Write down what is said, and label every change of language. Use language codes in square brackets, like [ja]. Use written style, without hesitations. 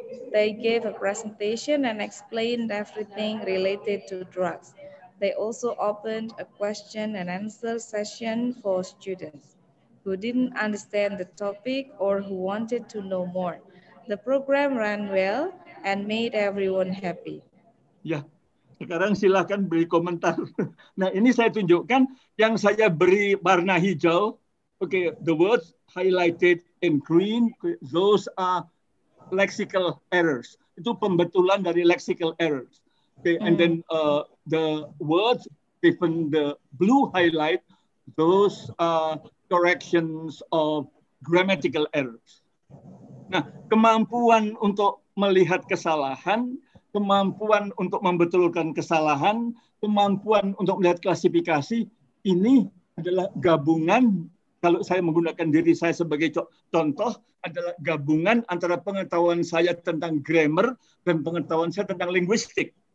[en] They gave a presentation and explained everything related to drugs. They also opened a question and answer session for students who didn't understand the topic or who wanted to know more. The program ran well and made everyone happy. [id] Yeah. Sekarang silakan beri komentar. Nah, ini saya tunjukkan yang saya beri warna hijau. [en] Okay, the words highlighted in green, those are lexical errors. [id] Itu pembetulan dari lexical errors. [en] Okay, and then the words given the blue highlight, those are corrections of grammatical errors. [id] Nah, kemampuan untuk melihat kesalahan, kemampuan untuk membetulkan kesalahan, kemampuan untuk melihat klasifikasi, ini adalah gabungan. Kalau saya menggunakan diri saya sebagai contoh adalah gabungan antara pengetahuan saya tentang grammar dan pengetahuan saya tentang linguistik.